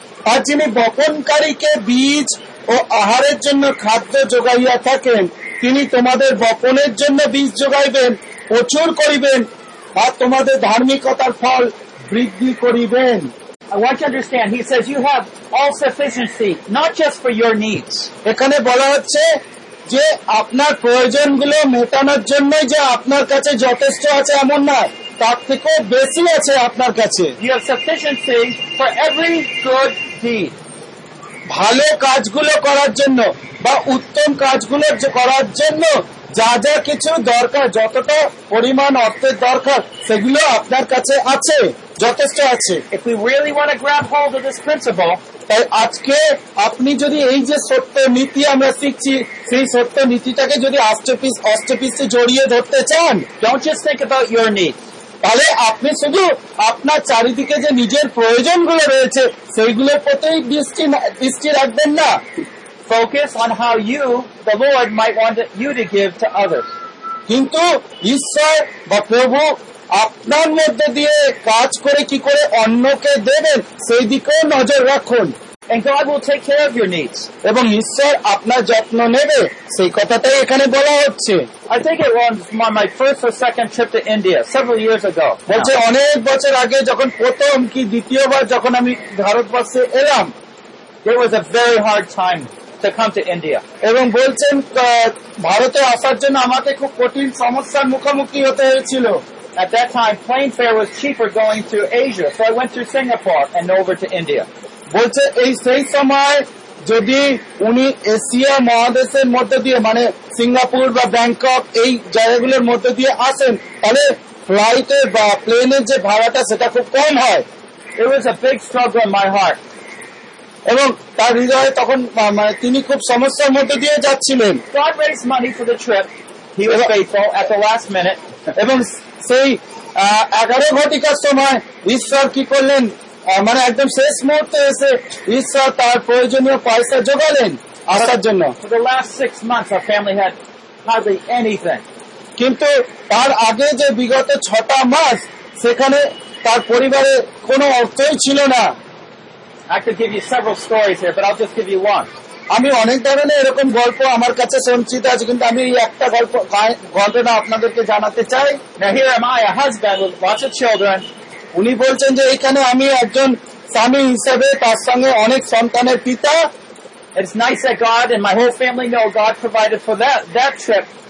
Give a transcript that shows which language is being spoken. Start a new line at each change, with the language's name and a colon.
Bangla: আর যিনি বপনকারীকে বীজ ও আহারের জন্য খাদ্য যোগাইয়া থাকেন, তিনি তোমাদের বপনের জন্য বীজ যোগাইবেন, প্রচুর করিবেন, আর তোমাদের ধার্মিকতার ফল বৃদ্ধি করিবেন.
English: I want you to understand, he says you have all sufficiency, not just for your needs.
Bangla: এখানে বলা হচ্ছে যে আপনার প্রয়োজনগুলো মেটানোর জন্য যে আপনার কাছে যথেষ্ট আছে এমন না, তার থেকে বেশি আছে আপনার কাছে.
English: You have sufficiency for every good deed.
Bangla: ভালো কাজগুলো করার জন্য বা উত্তম কাজগুলো করার জন্য যা যা কিছু দরকার, যতটা পরিমাণ অর্থের দরকার সেগুলো আপনার কাছে আছে, যথেষ্ট আছে.
English: If we really want to grab hold of this principle,
Bangla: আজকে আপনি যদি এই যে সত্য নীতি আমরা শিখছি সেই সত্য নীতিটাকে যদি অষ্টপিসে জড়িয়ে ধরতে চান,
English: don't just think about your needs.
Bangla: তাহলে আপনি শুধু আপনার চারিদিকে যে নিজের প্রয়োজনগুলো রয়েছে সেইগুলোর প্রতি দৃষ্টি রাখবেন না.
English: Focus on how you, the Lord, might want you to give to others.
Bangla: কিন্তু ঈশ্বর বা প্রভু আপনার মধ্যে দিয়ে কাজ করে কি করে অন্যকে দেবেন সেই দিকেও নজর রাখুন.
English: And God will take care of your needs.
Bangla: এবং ঈশ্বর আপনার যত্ন নেবে সেই কথাটাই এখানে বলা হচ্ছে.
English: I think it was my first or second trip to India several years ago.
Bangla: বলছে অনেক বছর আগে যখন প্রথম কি দ্বিতীয়বার যখন আমি ভারতবর্ষে এলাম.
English: It was a very hard time to come to India.
Bangla: এবং বলছেন ভারতে আসার জন্য আমাকে খুব কঠিন সমস্যার মুখোমুখি হতে হয়েছিল.
English: At that time, plane fare was cheaper going to Asia, so I went through Singapore and over to India.
Bangla: বলছে এই সেই সময় যদি উনি এশিয়া মহাদেশের মধ্যে দিয়ে মানে সিঙ্গাপুর বা ব্যাংকক এই জায়গাগুলোর মধ্যে দিয়ে আসেন তাহলে ফ্লাইটে বা প্লেনের যে ভাড়াটা সেটা খুব কম হয়।
English: It was a big struggle in my heart.
Bangla: এবং তার হৃদয়ে তখন মানে তিনি খুব সমস্যার মধ্যে দিয়ে যাচ্ছিলেন।
English: God raised money for the trip. He was faithful at the last minute.
Bangla: এবং সেই 11 ঘটিকার সময় ঈশ্বর কি করলেন মানে একদম শেষ মুহূর্তে এসে ঈশ্বর তার প্রয়োজনীয় পয়সা জোগালেন আসার জন্য.
English: For the last 6 months, our family had hardly anything.
Bangla: কিন্তু তার আগে যে বিগত 6টা মাস সেখানে তার পরিবারে কোনো অর্থই ছিল না.
English: I could give you several stories here, but I'll just give you one.
Bangla: আমি অনেক ধরনের এরকম গল্প আমার কাছে সঞ্চিত আছে কিন্তু আমি এই একটা গল্প ঘটনা আপনাদেরকে জানাতে চাই.
English: Here am I, a husband with lots of children.
Bangla: উনি বলছেন যে এইখানে আমি একজন স্বামী হিসেবে তার সঙ্গে অনেক সন্তানের পিতা.
English: It's nice that God and my whole family know God provided for that trip.